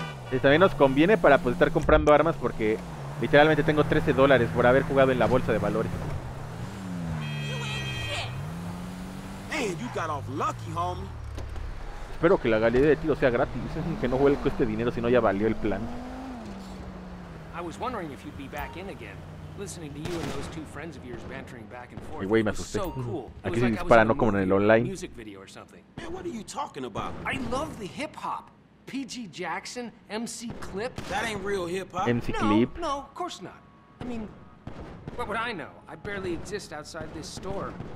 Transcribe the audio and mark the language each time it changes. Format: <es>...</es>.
<es>Y también nos conviene para pues estar comprando armas porque literalmente tengo $13 por haber jugado en la bolsa de valores.</es> <en>Man, you got off lucky, homie.</en> <es>Espero que la galería de tiro sea gratis, que no vuelco este dinero si no ya valió el plan.</es> <en>I was wondering if you'd be back in again. listening to you and those two friends of yours bantering back and forth.</en> <es>Y güey, me asusté.</es> <en>So cool.</en> <es>Aquí se dispara, no como en el online.</es> <en>Music video or something. Man, what are you talking about? I love the hip hop. PG Jackson, MC Clip. That ain't real hip hop. MC Clip. No, of course not. I mean, what would I know? I barely exist outside this store.</en>